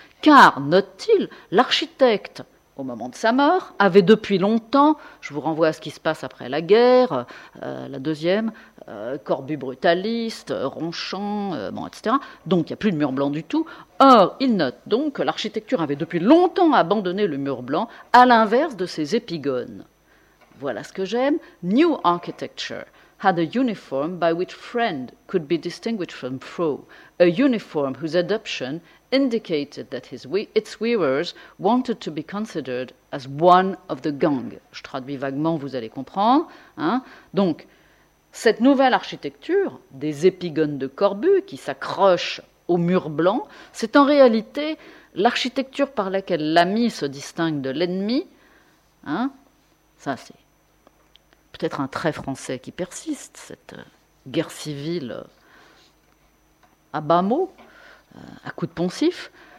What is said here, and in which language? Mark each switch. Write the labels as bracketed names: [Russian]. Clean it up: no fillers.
[French] Car, note-t-il, l'architecte, au moment de sa mort, avait depuis longtemps, je vous renvoie à ce qui se passe après la guerre, la deuxième, Corbus brutaliste, Ronchamp, bon, etc. Donc il n'y a plus de mur blanc du tout. Or, il note donc que l'architecture avait depuis longtemps abandonné le mur blanc, à l'inverse de ses épigones. Voilà ce que j'aime. [English] New architecture had a uniform by which friend could be distinguished from foe, a uniform whose adoption indicated that its wearers wanted to be considered as one of the gang. [French] Je traduis vaguement, vous allez comprendre. Donc, cette nouvelle architecture des épigones de Corbus qui s'accrochent au mur blanc, c'est en réalité l'architecture par laquelle l'ami se distingue de l'ennemi. Ça, c'est peut-être un trait français qui persiste, cette guerre civile à bas mots, à coups de poncif.